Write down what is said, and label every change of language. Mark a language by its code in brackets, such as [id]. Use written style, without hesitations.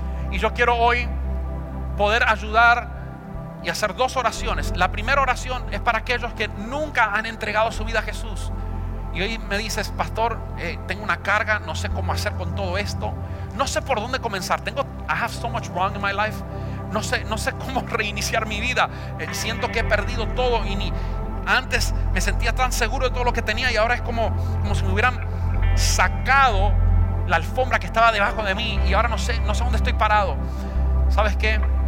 [es] Y yo quiero hoy poder ayudar y hacer dos oraciones. La primera oración es para aquellos que nunca han entregado su vida a Jesús. Y hoy me dices: pastor, tengo una carga, no sé cómo hacer con todo esto. No sé por dónde comenzar. [en] I have so much wrong in my life. [es] No sé cómo reiniciar mi vida. Siento que he perdido todo y ni... Antes me sentía tan seguro de todo lo que tenía y ahora es como si me hubieran sacado la alfombra que estaba debajo de mí y ahora no sé dónde estoy parado. ¿Sabes qué?